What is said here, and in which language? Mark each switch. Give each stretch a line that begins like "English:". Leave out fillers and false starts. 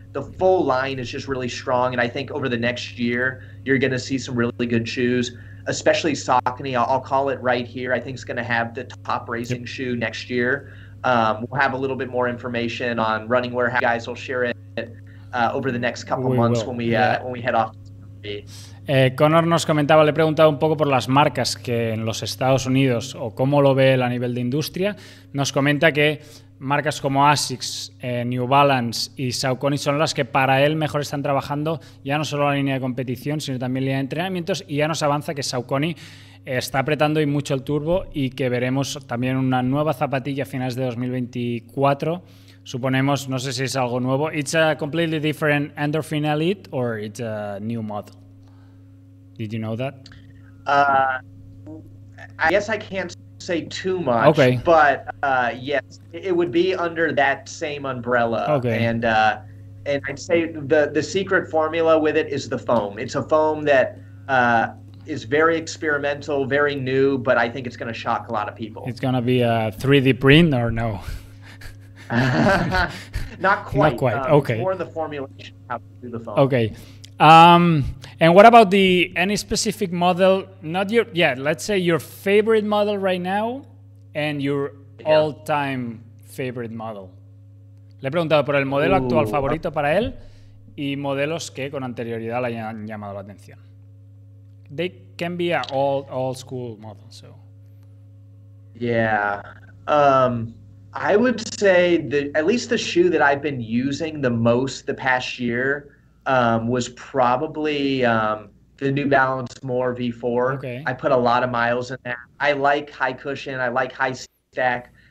English: The full line is just really strong. And I think over the next year, you're going to see some really good shoes, especially Saucony. I'll call it right here. I think it's going to have the top racing shoe next year. We'll have a little bit more information on Running Warehouse. You guys will share it over the next couple months when we head off.
Spanish: Connor nos comentaba, le he preguntado un poco por las marcas que en los Estados Unidos o cómo lo ve él a nivel de industria. Nos comenta que marcas como ASICS, New Balance y Saucony son las que para él mejor están trabajando ya no solo la línea de competición, sino también la línea de entrenamientos, y ya nos avanza que Saucony está apretando y mucho el turbo, y que veremos también una nueva zapatilla a finales de 2024. Suponemos, no sé si es algo nuevo.
English: It's a completely different Endorphin Elite, or it's a new model. Did you know that? I guess I can't say too much. Okay. But yes, it would be under that same umbrella. Okay. And I'd say the secret formula with it is the foam. It's a foam that is very experimental, very new, but I think it's going to shock a lot of people. It's going to be a 3D print, or no? Not quite. Okay. More the formulation, how to do the phone. Okay. And what about the any specific model? Not your, yeah, let's say your favorite model right now and your all time favorite model.
Spanish: Le he preguntado por el modelo actual favorito para él y modelos que con anterioridad le hayan llamado la atención.
English: they can be an old school model. So yeah, I would say that at least the shoe that I've been using the most the past year was probably the New Balance More V4. Okay. I put a lot of miles in that. I like high cushion. I like high stack.